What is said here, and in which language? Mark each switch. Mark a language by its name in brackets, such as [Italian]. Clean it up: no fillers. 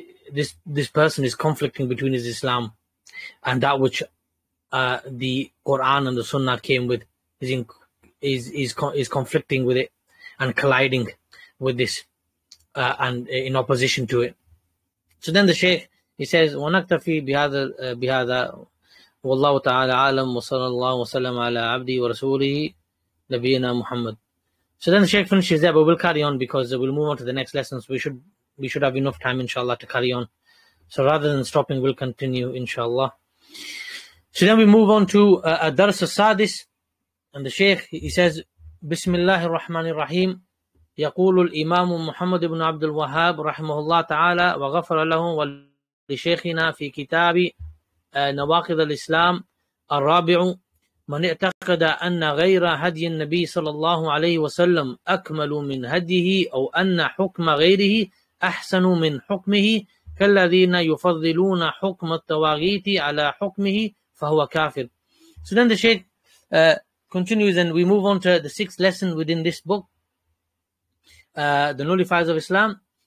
[English] This person is conflicting between his Islam and that which the Quran and the Sunnah came with. Is conflicting with it and colliding with this and in opposition to it. So then the Shaykh, he says, [Arabic] وَنَكْتَفِي بِهَذَا وَاللَّهُ تَعَالَى عَالَمْ وَصَلَى اللَّهُ وَسَلَّمَ عَلَىٰ عَبْدِي وَرَسُولِهِ نَبِيِّنَا مُحَمَّدٍ. [English] So then the Shaykh finishes there, but we'll carry on because we'll move on to the next lesson. So we should have enough time, inshallah, to carry on. So rather than stopping, we'll continue, inshallah. So then we move on to Ad-Dars As-Sadis. And the Shaykh, he says, [Arabic] Bismillahir Rahmanir Rahim. يقول الإمام محمد بن عبد الوهاب رحمه الله تعالى وغفر له ولشيخنا في كتاب نواقض الإسلام الرابع من اعتقد أن غير هدي النبي صلى الله عليه وسلم أكمل من هديه أو أن حكم غيره أحسن من حكمه كالذين يفضلون حكم الطواغيت على حكمه فهو كافر. [English] So then the Shaykh continues and we move on to the sixth lesson within this book, The Nullifiers of Islam.